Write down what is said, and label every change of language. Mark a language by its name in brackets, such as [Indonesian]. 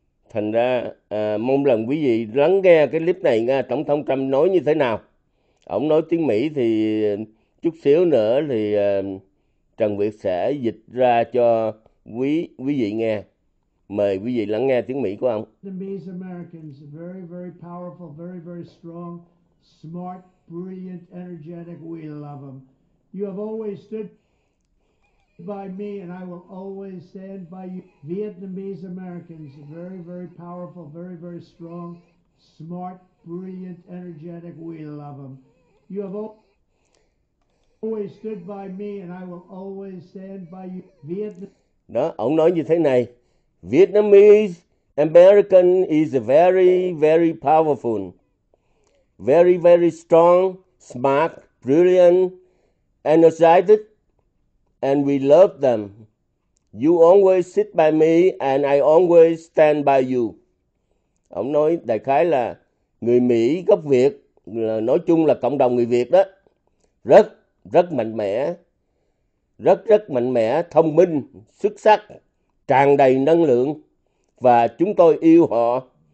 [Vietnamese] Thành ra mong lần quý vị lắng nghe cái clip này nghe Tổng thống Trump nói như thế nào. Ông nói tiếng Mỹ thì chút xíu nữa thì Trần Việt sẽ dịch ra cho quý vị nghe. Mời quý vị lắng nghe tiếng Mỹ của ông. [English] The Americans, very, very powerful, very, very strong, smart, brilliant, energetic. We love them. You have always stood by me, and I will always stand by you. Vietnamese Americans, very, very powerful, very, very strong, smart, brilliant, energetic. We love them. You have always stood by me, and I will always stand by you. [Vietnamese] Đó, ông nói như thế này. [English] Vietnamese American is very, very powerful. Very, very strong, smart, brilliant, energetic, and we love them. You always sit by me and I always stand by you. [Vietnamese] Ông nói đại khái là người Mỹ gốc Việt, là nói chung là cộng đồng người Việt đó, rất, rất mạnh mẽ. Rất rất mạnh mẽ, thông minh, xuất sắc, tràn đầy năng lượng và chúng tôi yêu họ.